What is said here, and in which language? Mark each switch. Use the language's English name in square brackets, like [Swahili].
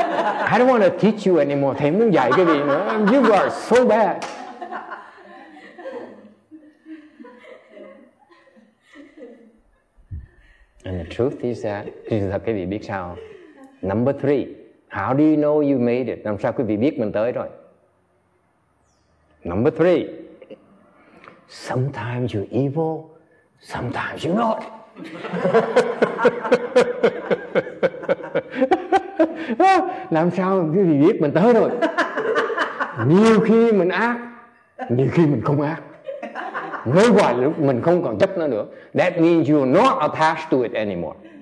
[English] I don't want to teach you anymore. [Vietnamese] Thầy muốn dạy cái gì nữa? [English] You are so bad. And the truth is that, [Vietnamese] thật quý vị biết sao? [English] Number three, how do you know you made it? [Vietnamese] Làm sao quý vị biết mình tới rồi? [English] Number three, sometimes you're evil, sometimes you're not. [Vietnamese] Làm sao quý vị biết mình tới rồi? Nhiều khi mình ác, nhiều khi mình không ác. Nói hoài lúc mình không còn chấp nó nữa. [English] That means you're not attached to it anymore.